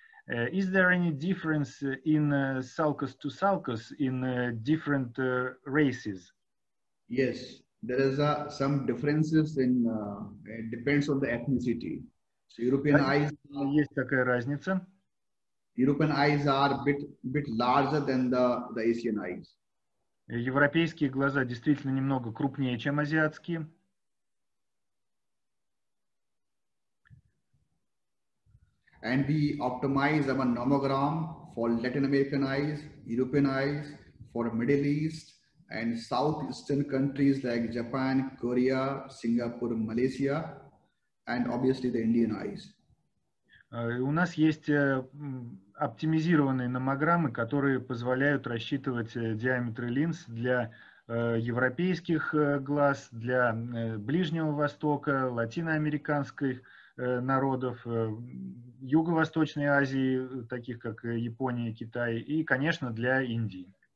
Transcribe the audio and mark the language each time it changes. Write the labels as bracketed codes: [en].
[en] Is there any difference in sulcus to sulcus in different races? Yes. There is some differences in it depends on the ethnicity. So European eyes [ru] есть такая разница. [en] European eyes are bit larger than the Asian eyes. [ru] Европейские глаза действительно немного крупнее, чем азиатские. [en] And we optimize our nomogram for Latin American eyes, European eyes, for Middle East and Southeastern countries like Japan, Korea, Singapore, Malaysia, and obviously the Indian eyes. [ru] У нас есть оптимизированные номограммы, которые позволяют рассчитывать диаметры линз для европейских глаз, для Ближнего Востока, латиноамериканских народов, Юго-Восточной Азии, таких как Япония, Китай, и, конечно, для Индии.